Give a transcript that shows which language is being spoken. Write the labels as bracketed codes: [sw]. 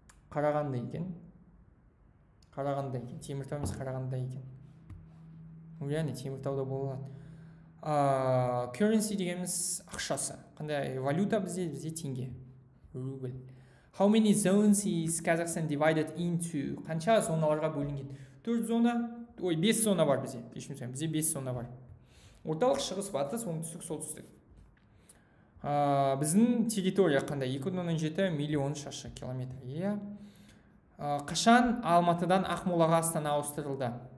[kk] Қарағанды екен. Теміртау емес Қарағанды екен. Ой, әні Теміртауда болады. Currency дегеніміз ақшасы. Қандай валюта бізде теңге. Рубль. [en] How many zones is Kazakhstan divided into? [kk] Қанша зоналарға бөлінген? 4 зона, 5 зона бар бізде. Бізде 5 зона бар. Орталық, шығыс, батыс, оңтүстік, солтүстік. Біздің территория қандай? 2.7 миллион шаршы километр. Қашан Алматыдан Ақмолаға астана ауыстырылды?